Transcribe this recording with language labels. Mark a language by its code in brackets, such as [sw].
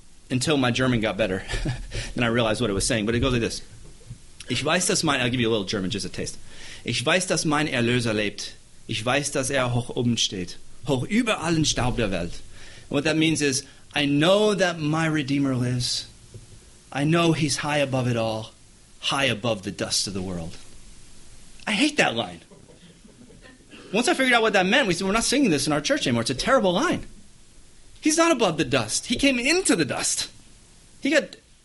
[en] Until my German got better, and I realized what it was saying. But it goes like this. [de] Ich weiß, dass mein, [en] I'll give you a little German, just a taste. [de] Ich weiß, dass mein Erlöser lebt. Ich weiß, dass hoch oben steht. Hoch über allen Staub der Welt. [en] And what that means is, I know that my Redeemer lives. I know he's high above it all. High above the dust of the world. I hate that line. Once I figured out what that meant, we said, we're not singing this in our church anymore. It's a terrible line. He's not above the dust. He came into the dust. He got